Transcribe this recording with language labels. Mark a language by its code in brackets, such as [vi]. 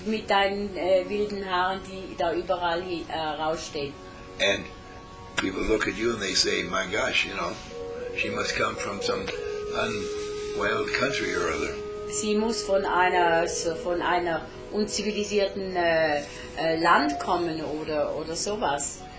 [de] Mit deinen wilden Haaren, die da überall rausstehen. [en] And people look at you and they say, my gosh, you know, she must come from some unwild country or other. [de] Sie muss von einer unzivilisierten Land kommen oder sowas.